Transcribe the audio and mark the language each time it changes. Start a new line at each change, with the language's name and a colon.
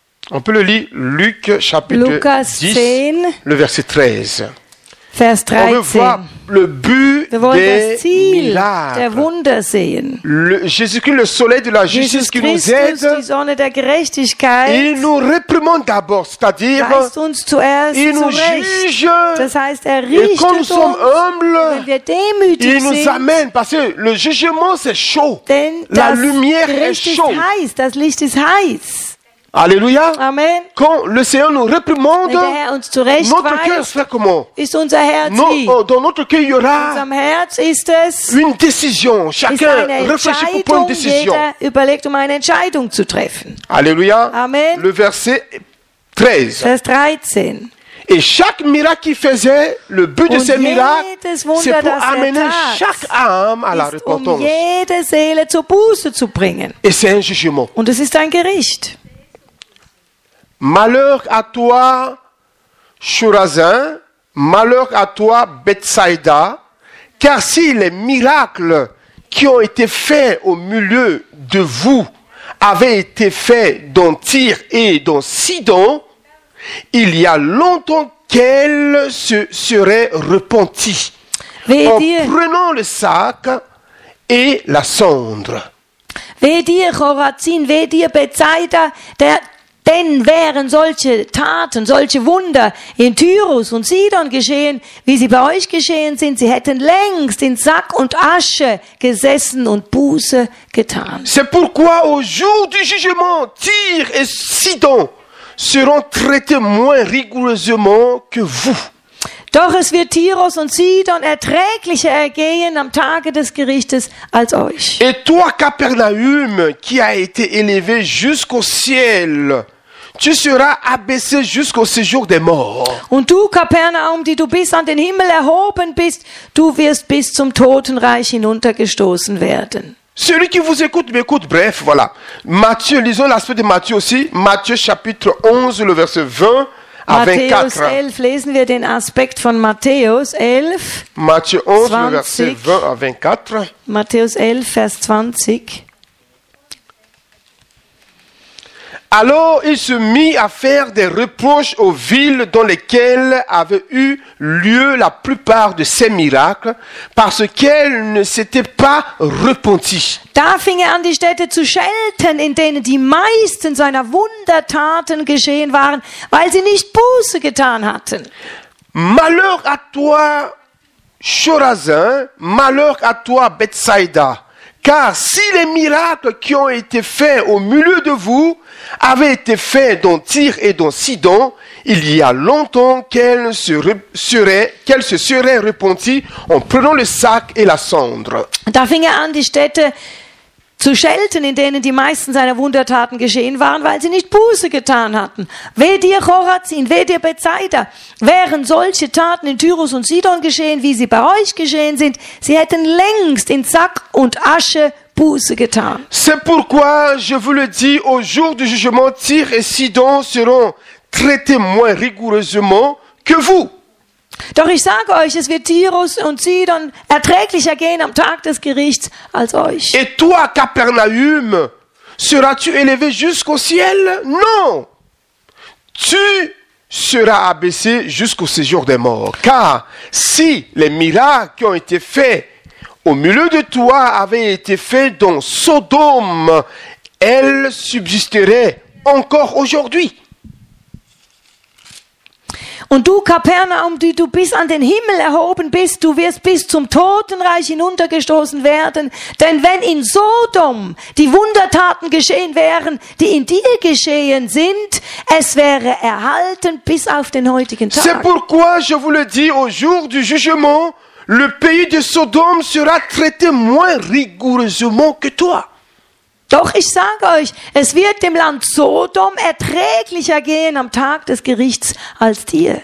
French: On peut le lire, Luc, chapitre Lucas 10, 10, le verset 13. Vers 13. On veut voir le but des miracles.
German: Wir wollen das Ziel der Wunder sehen.
French: Jésus-Christ, le soleil de la justice qui nous aide.
German: Jesus Christus, die Sonne der Gerechtigkeit.
French: Il nous réprimande d'abord, c'est-à-dire, il nous juge.
German: Das heißt, er richtet
French: et quand nous sommes humbles,
German: wenn wir demütig
French: il nous amène, parce que le jugement c'est chaud.
German: Denn
French: la lumière est chaude.
German: Das Licht ist heiß.
French: Alléluia. Amen. Quand le Seigneur nous réprimande, notre cœur fait comment? Dans notre cœur, il y aura une décision. Chacun réfléchit pour prendre une décision.
German: Jeder überlegt, eine Entscheidung zu treffen.
French: Alléluia. Amen. Le verset 13.
German: Vers 13.
French: Et chaque miracle qu'il faisait, le but de ces miracles, c'est pour amener chaque âme à la repentance.
German: Jede Seele zur Buße zu bringen.
French: Et c'est un jugement.
German: Und es ist ein Gericht.
French: Malheur à toi, Chorazin, malheur à toi, Bethsaïda, car si les miracles qui ont été faits au milieu de vous avaient été faits dans Tyr et dans Sidon, il y a longtemps qu'elle se serait repentie
German: Wehe
French: en
German: dir.
French: Prenant le sac et la cendre.
German: Wehe dir, Chorazin, wehe dir, Bethsaida, denn wären solche Taten, solche Wunder in Tyrus und Sidon geschehen, wie sie bei euch geschehen sind, sie hätten längst in Sack und Asche gesessen und Buße getan.
French: C'est pourquoi au jour du jugement, Tyr et Sidon seront traités moins rigoureusement que vous.
German: Doch es wird Tyros und Sidon erträglicher ergehen am Tage des Gerichtes als euch.
French: Et toi, Capernaüm, qui a été élevé jusqu'au ciel, tu seras abaissé jusqu'au séjour des morts.
German: Und du, Capernaüm, die du bis an den Himmel erhoben bist, du wirst bis zum Totenreich hinuntergestoßen werden.
French: Celui qui vous écoute, m'écoute, bref, voilà. Matthieu, lisons l'aspect de Matthieu aussi. Matthieu chapitre 11, le verset 20 à 24.
German: Matthäus 11, lesen wir den Aspekt von Matthäus 11.
French: Matthieu 11, 20, le verset 20 à 24.
German: Matthäus 11, vers 20.
French: Alors il se mit à faire des reproches aux villes dans lesquelles avaient eu lieu la plupart de ces miracles, parce qu'elles ne s'étaient pas repenties.
German: Da fing an, die Städte zu schelten, in denen die meisten seiner Wundertaten geschehen waren, weil sie nicht Buße getan hatten.
French: Malheur à toi, Chorazin, malheur à toi, Bethsaida. Car si les miracles qui ont été faits au milieu de vous avaient été faits dans Tyr et dans Sidon, il y a longtemps qu'elles se seraient repenties en prenant le sac et la cendre.
German: Da fing er an, die Städte zu schelten, in denen die meisten seiner Wundertaten geschehen waren, weil sie nicht Buße getan hatten. Weh dir, Chorazin, weh dir, Bethsaida. Wären solche Taten in Tyrus und Sidon geschehen, wie sie bei euch geschehen sind, sie hätten längst in Sack und Asche Buße getan.
French: C'est pourquoi, je vous le dis, au jour du jugement, Tyr et Sidon seront traités moins rigoureusement que vous.
German: Doch ich sage euch, es wird Tyrus und Sidon erträglicher gehen am Tag des Gerichts als euch.
French: Et toi, Capernaüm, seras-tu élevé jusqu'au ciel? Non! Tu seras abaissé jusqu'au séjour des morts. Car si les miracles qui ont été faits au milieu de toi avaient été faits dans Sodome, elles subsisteraient encore aujourd'hui.
German: Und du, Kapernaum, die du bis an den Himmel erhoben bist, du wirst bis zum Totenreich hinuntergestoßen werden. Denn wenn in Sodom die Wundertaten geschehen wären, die in dir geschehen sind, es wäre erhalten bis auf den heutigen Tag.
French: C'est pourquoi je vous le dis, au jour du jugement, le pays de Sodome sera traité moins rigoureusement que toi.
German: Doch ich sage euch, es wird dem Land Sodom erträglicher gehen am Tag des Gerichts als dir.